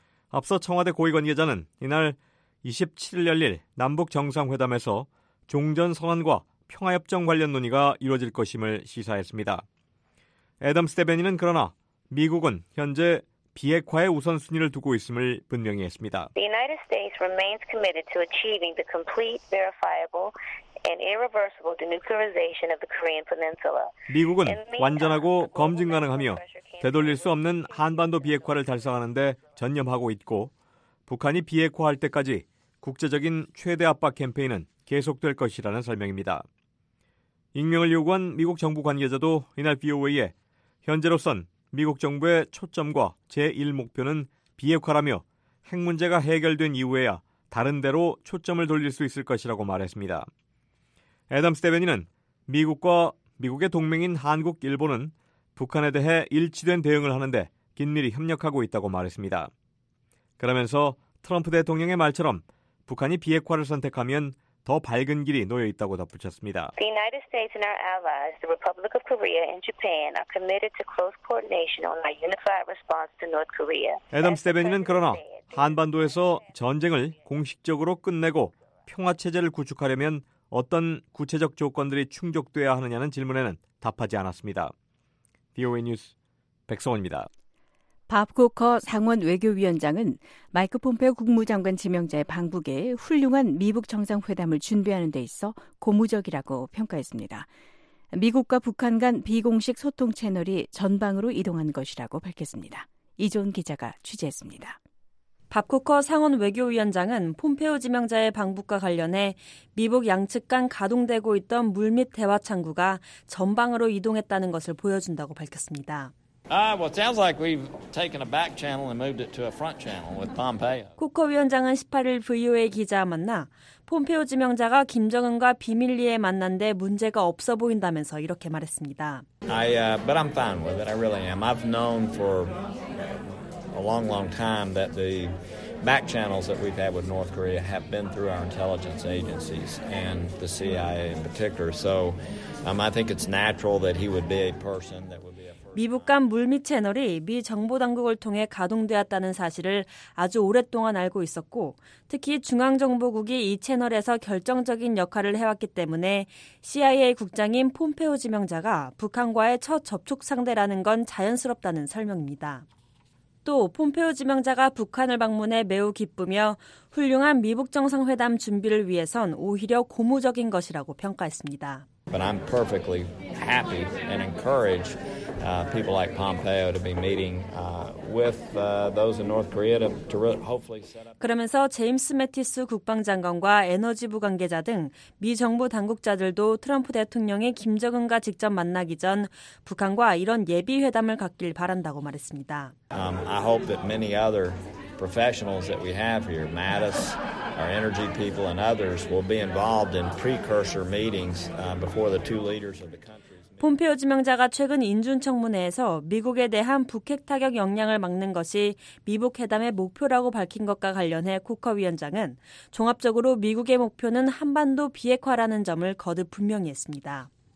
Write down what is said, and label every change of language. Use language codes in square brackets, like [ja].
[ko] 앞서 청와대 고위 관계자는 이날 27일 열릴 남북정상회담에서 종전선언과 평화협정 관련 논의가 이뤄질 것임을 시사했습니다. 애덤스 대변인은 그러나 미국은 현재 비핵화의 우선순위를 두고 있음을 분명히 했습니다. [en] The United States remains committed to achieving the complete, verifiable and irreversible denuclearization of the Korean Peninsula. [ko] 미국은 완전하고 검증 가능하며 되돌릴 수 없는 한반도 비핵화를 달성하는 데 전념하고 있고 북한이 비핵화할 때까지 국제적인 최대 압박 캠페인은 계속될 것이라는 설명입니다. 익명을 요구한 미국 정부 관계자도 이날 VOA에 현재로선 미국 정부의 초점과 제1목표는 비핵화라며 핵 문제가 해결된 이후에야 다른 데로 초점을 돌릴 수 있을 것이라고 말했습니다. 애덤스 대변인은 미국과 미국의 동맹인 한국, 일본은 북한에 대해 일치된 대응을 하는데 긴밀히 협력하고 있다고 말했습니다. 그러면서 트럼프 대통령의 말처럼 북한이 비핵화를 선택하면 더 밝은 길이 놓여 있다고 덧붙였습니다. [en] The United States and our allies, the Republic of Korea and Japan, are committed to close coordination on a unified response to North Korea. [ko] 애덤스 대변인은 그러나 한반도에서 전쟁을 공식적으로 끝내고 평화 체제를 구축하려면 어떤 구체적 조건들이 충족돼야 하느냐는 질문에는 답하지 않았습니다. VOA 뉴스 백성원입니다. 밥 코커 상원 외교위원장은 마이크 폼페오 국무장관 지명자의 방북에 훌륭한 미북 정상회담을 준비하는 데 있어 고무적이라고 평가했습니다. 미국과 북한 간 비공식 소통 채널이 전방으로 이동한 것이라고 밝혔습니다. 이종 기자가 취재했습니다. 밥 코커 상원 외교위원장은 폼페오 지명자의 방북과 관련해 미북 양측 간 가동되고 있던 물밑 대화 창구가 전방으로 이동했다는 것을 보여준다고 밝혔습니다. [en] Well, it sounds like we've taken a back channel and moved it to a front channel with Pompeo. [ko] 코커 위원장은 18일 VOA 기자와 만나 폼페오 지명자가 김정은과 비밀리에 만난 데 문제가 없어 보인다면서 이렇게 말했습니다. [en] But I'm fine with it. I really am. I've known for a long, long time that the back channels that we've had with North Korea have been through our intelligence agencies and the CIA in particular. So I think it's natural that he would be a person that would be a first. [ko] 미국 간 물밑 채널이 미 정보 당국을 통해 가동되었다는 사실을 아주 오랫동안 알고 있었고, 특히 중앙정보국이 이 채널에서 결정적인 역할을 해왔기 때문에 CIA 국장인 폼페오 지명자가 북한과의 첫 접촉 상대라는 건 자연스럽다는 설명입니다. 또 폼페오 지명자가 북한을 방문해 매우 기쁘며 훌륭한 미북 정상회담 준비를 위해선 오히려 고무적인 것이라고 평가했습니다. [en] But I'm perfectly happy and encourage people like Pompeo to be meeting with those in North Korea to hopefully set up. [ko] 그러면서 제임스 매티스 국방장관과 에너지부 관계자 등 미 정부 당국자들도 트럼프 대통령이 김정은과 직접 만나기 전 북한과 이런 예비 회담을 갖길 바란다고 말했습니다. [en] I hope that many other professionals that we have here, Mattis, our energy people and others will be involved in precursor meetings before the two leaders of the country. [ko] 폼페오 지명자가 최근 인준 청문회에서 미국에 대한 북핵 타격 역량을 막는 것이 미북 회담의 목표라고 밝힌 것과 관련해 코커 위원장은 종합적으로 미국의 목표는 한반도 비핵화라는 점을 거듭 분명히 했습니다.